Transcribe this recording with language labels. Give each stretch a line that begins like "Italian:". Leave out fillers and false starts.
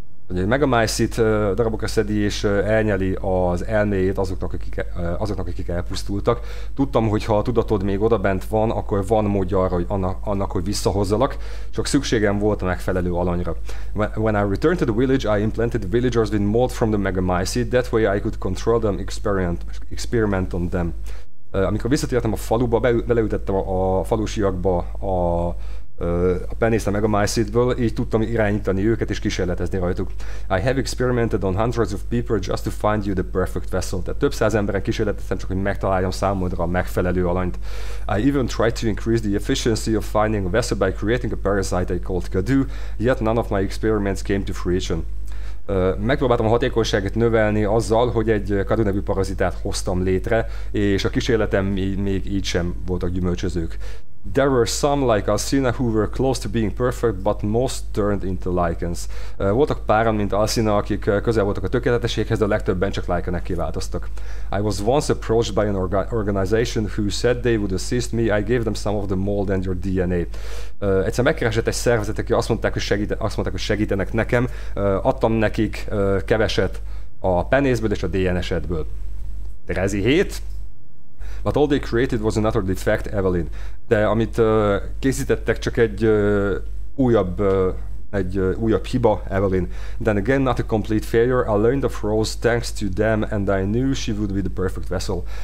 Hungarian: Ugye egy megamycid darabokra szedi és elnyeli az elméjét azoknak, akik elpusztultak. Tudtam, hogy ha a tudatod még odabent van, akkor van módja arra, hogy annak, hogy visszahozzalak. Csak szükségem volt a megfelelő alanyra.
English: When I returned to the village, I implanted villagers with mold from the megamycid. That way I could control them, experiment on them.
Hungarian: Amikor visszatértem a faluba, beleütettem a falusiakba a penészt a megamycidből, így tudtam irányítani őket és kísérletezni rajtuk.
English: I have experimented on hundreds of people just to find you the perfect vessel.
Hungarian: Tehát több száz emberen kísérleteztem, csak hogy megtaláljam számodra a megfelelő alanyt.
English: I even tried to increase the efficiency of finding a vessel by creating a parasite I called Kadu, yet none of my experiments came to fruition.
Hungarian: Megpróbáltam a hatékonyságot növelni azzal, hogy egy Kadu nevű parazitát hoztam létre, és a kísérletem még így sem voltak gyümölcsözők.
English: There were some like Alcina who were close to being perfect, but most turned into lichens.
Hungarian: Voltak páran, mint Alcina, akik közel voltak a tökéletességhez, de a legtöbben csak lichenek kiváltoztak.
English: I was once approached by an organization who said they would assist me. I gave them some of the mold and your DNA.
Hungarian: Egyszer megkeresett egy szervezet, aki azt mondták, hogy segítenek nekem. Adtam nekik keveset a penészből és a DNS-edből. Rezi 7.
English: But all they created was another defect, Evelyn.
Hungarian: De amit készítettek, csak egy újabb hiba, Evelyn.
English: Then again, not a complete failure. I learned of Rose thanks to them, and I knew she would be the perfect vessel.